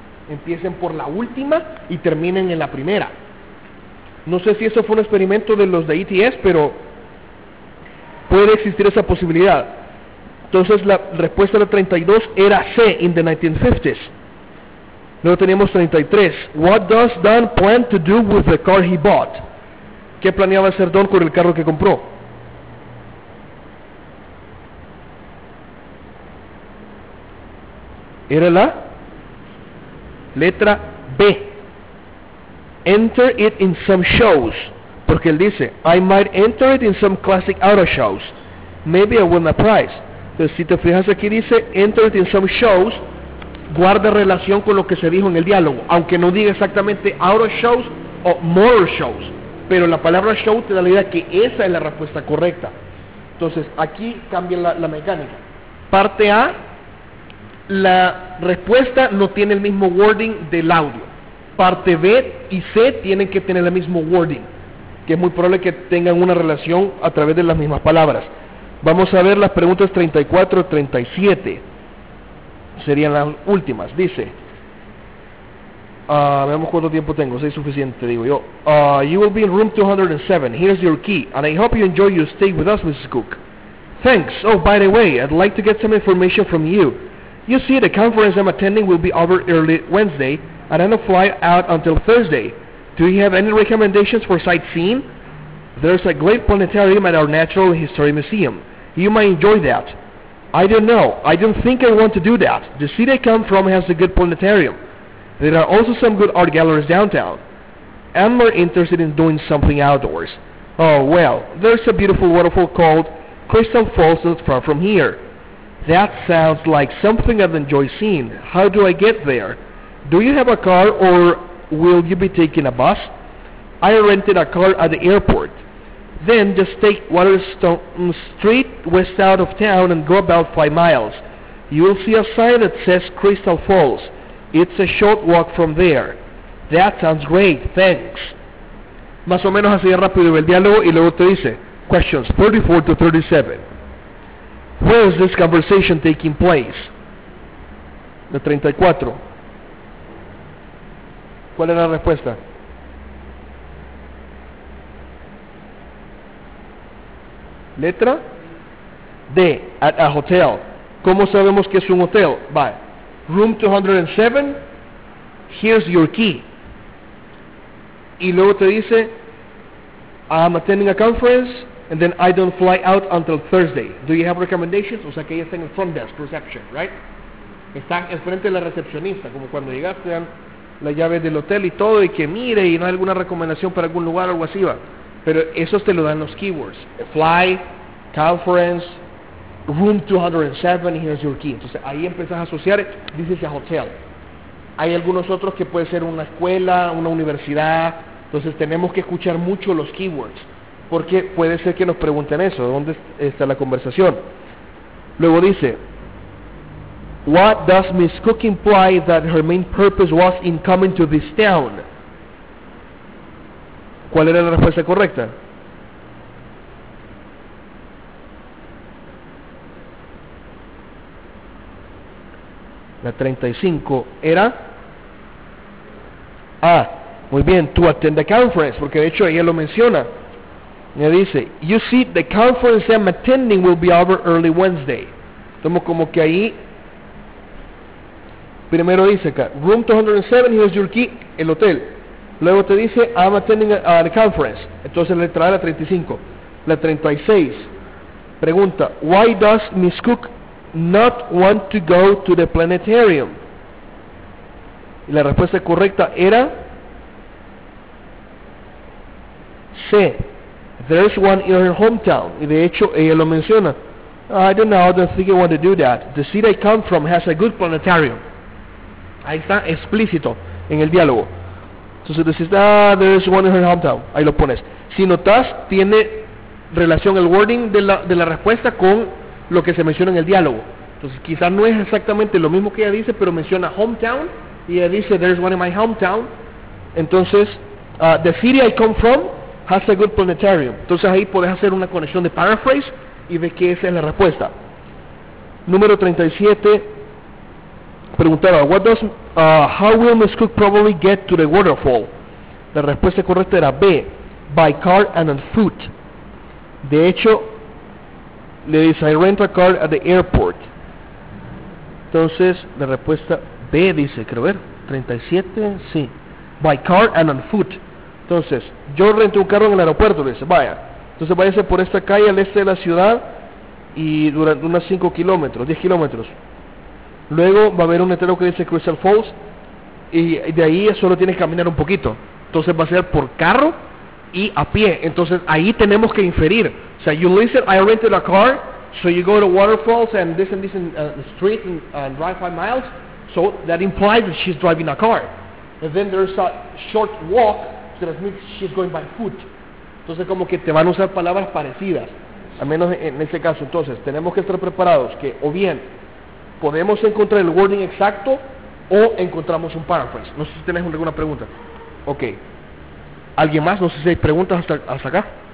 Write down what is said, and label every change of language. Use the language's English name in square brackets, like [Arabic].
[Spanish] Empiecen por la última y terminen en la primera. No sé si eso fue un experimento de los de ETS, pero puede existir esa posibilidad. Entonces la respuesta de la 32 era C, [English] in the 1950s. [Spanish] Luego teníamos 33. [English] What does Don plan to do with the car he bought? [Spanish] ¿Qué planeaba hacer Don con el carro que compró? Era la letra B. [English] Enter it in some shows. [Spanish] Porque él dice, [English] I might enter it in some classic auto shows. Maybe I win a prize. [Spanish] Entonces, si te fijas aquí dice, [English] enter it in some shows, [Spanish] guarda relación con lo que se dijo en el diálogo. Aunque no diga exactamente auto shows o motor shows. Pero la palabra show te da la idea que esa es la respuesta correcta. Entonces, aquí cambia la mecánica. Parte A. La respuesta no tiene el mismo wording del audio. Parte B y C tienen que tener el mismo wording, que es muy probable que tengan una relación a través de las mismas palabras. Vamos a ver las preguntas 34 y 37. Serían las últimas. Dice, veamos cuánto tiempo tengo, si es suficiente, digo yo. [English] You will be in room 207. Here's your key, and I hope you enjoy your stay with us, Mrs. Cook. Thanks. Oh, by the way, I'd like to get some information from you. You see, the conference I'm attending will be over early Wednesday, and I'm going to fly out until Thursday. Do you have any recommendations for sightseeing? There's a great planetarium at our Natural History Museum. You might enjoy that. I don't know. I don't think I want to do that. The city I come from has a good planetarium. There are also some good art galleries downtown. I'm more interested in doing something outdoors. Oh, well, there's a beautiful waterfall called Crystal Falls not far from here. That sounds like something I've enjoyed seeing. How do I get there? Do you have a car or will you be taking a bus? I rented a car at the airport. Then just take Waterstone Street west out of town and go about 5 miles. You'll see a sign that says Crystal Falls. It's a short walk from there. That sounds great. Thanks. [Spanish] Más o menos así rápido el diálogo y luego te dice. [English] Questions 34 to 37. Where is this conversation taking place? [Spanish] La 34. ¿Cuál era la respuesta? ¿Letra? D. [English] At a hotel. [Spanish] ¿Cómo sabemos que es un hotel? Va. [English] Room 207. Here's your key. [Spanish] Y luego te dice, [English] I'm attending a conference. And then I don't fly out until Thursday. Do you have recommendations? [Spanish] O sea que ella está en el [English] front desk, reception, right? [Spanish] Está enfrente de la recepcionista, como cuando llegaste, dan la llave del hotel y todo, y que mire y no hay alguna recomendación para algún lugar o algo así, va. Pero esos te lo dan los keywords. [English] Fly, conference, room 207, here's your key. [Spanish] Entonces ahí empiezas a asociar, dices a hotel. Hay algunos otros que puede ser una escuela, una universidad. Entonces tenemos que escuchar mucho los keywords. Porque puede ser que nos pregunten eso, ¿dónde está la conversación? Luego dice, [English] What does Miss Cook imply that her main purpose was in coming to this town? [Spanish] ¿Cuál era la respuesta correcta? La 35 era A. Muy bien, [English] to attend the conference, [Spanish] porque de hecho ella lo menciona. Ella dice, [English] you see, the conference I'm attending will be over early Wednesday. [Spanish] Entonces, como que ahí, primero dice acá, [English] room 207, here's your key, [Spanish] el hotel. Luego te dice, [English] I'm attending the conference. [Spanish] Entonces, le trae la 35. La 36, pregunta, [English] why does Miss Cook not want to go to the planetarium? [Spanish] Y la respuesta correcta era C. [English] There's one in her hometown. [Spanish] Y de hecho, ella lo menciona. [English] I don't know, I don't think I want to do that. The city I come from has a good planetarium. [Spanish] Ahí está explícito en el diálogo. Entonces, decís, [English] there's one in her hometown. [Spanish] Ahí lo pones. Si notas, tiene relación el wording de la respuesta con lo que se menciona en el diálogo. Entonces, quizás no es exactamente lo mismo que ella dice, pero menciona hometown. Y ella dice, [English] there's one in my hometown. [Spanish] Entonces, [English] The city I come from has a good planetarium. [Spanish] Entonces ahí puedes hacer una conexión de paraphrase y ve que esa es la respuesta. Número 37, preguntaba, [English] what does, how will Ms. Cook probably get to the waterfall? [Spanish] La respuesta correcta era B, [English] by car and on foot. [Spanish] De hecho, le dice, [English] I rent a car at the airport. [Spanish] Entonces, la respuesta B dice, creo ver, 37, sí, [English] by car and on foot. [Spanish] Entonces, yo renté un carro en el aeropuerto, le dice, vaya. Entonces, váyase por esta calle al este de la ciudad y durante unas 5 kilómetros, 10 kilómetros. Luego va a haber un letrero que dice Crystal Falls y de ahí solo tienes que caminar un poquito. Entonces va a ser por carro y a pie. Entonces ahí tenemos que inferir. O sea, [English] you listen, I rented a car, so you go to Waterfalls and this the street and drive 5 miles. So that implies that she's driving a car. And then there's a short walk, so that means she's going by foot. [Spanish] Entonces como que te van a usar palabras parecidas. Al menos en ese caso. Entonces tenemos que estar preparados que o bien podemos encontrar el wording exacto o encontramos un paraphrase. No sé si tenés alguna pregunta. Ok. ¿Alguien más? No sé si hay preguntas hasta acá.